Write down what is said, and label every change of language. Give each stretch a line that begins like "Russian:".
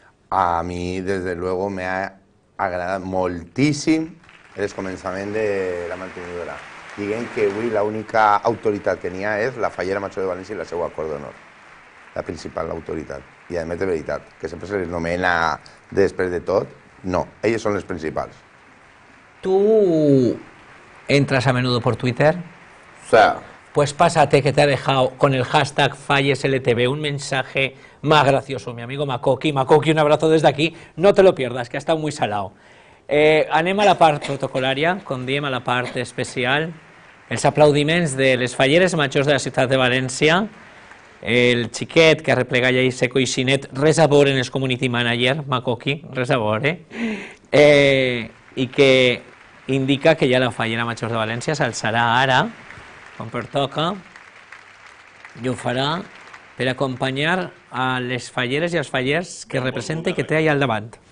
Catalan: A mi,
Spanish: desde luego,
Catalan: me ha agradat moltíssim el començament de la mantenidora. Diguem que avui l'única autoritat que n'hi ha és la Fallera Major de València i la seva acord d'honor. La principal, l'autoritat. I a més, de veritat, que sempre se les nomena després de tot. No, elles són les principals. Tu entres a menudo per Twitter?
Spanish: O sea, pues pásate que te ha dejado con el hashtag FallesLTV un mensaje más gracioso, mi amigo Makoki. Makoki, un abrazo desde aquí. No te lo pierdas, que ha estado muy salado.
Catalan: Anem a la part protocolària, con diem a la part especial. Els aplaudiments de les falleres majors de la ciutat de València. El xiquet que arreplega ja i se coixinet, res a veure en els community manager, Makoki, res a veure. I que indica que ja la Fallera Majors de València s'alçarà ara, com pertoca, i ho farà per acompanyar a les falleres i els fallers que representa i que té allà al davant.